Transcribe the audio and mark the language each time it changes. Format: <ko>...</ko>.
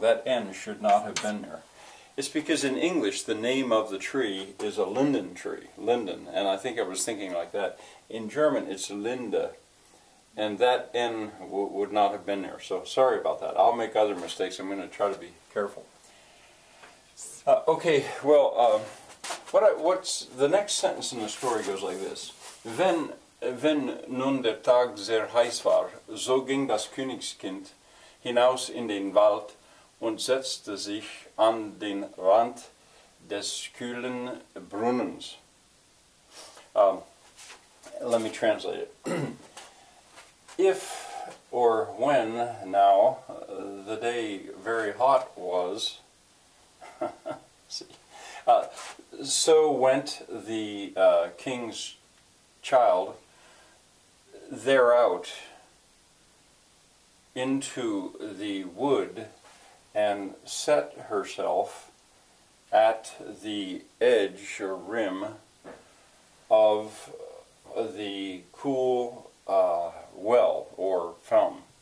<en>That N should not have been there. It's because in English, the name of the tree is a linden tree, linden, and I think I was thinking like that. In German, it's Linde, and that N would not have been there, so sorry about that. I'll make other mistakes. I'm going to try to be careful. Okay, well, what's the next sentence in the story goes like this.</en> <de>Wenn nun der Tag sehr heiß war, so ging das Königskind hinaus in den Wald, und setzte sich an den Rand des kühlen Brunnens.</de> <en>Let me translate it. If or when now the day very hot was, so went the king's child thereout into the wood and set herself at the edge or rim of the cool well or fountain.</en>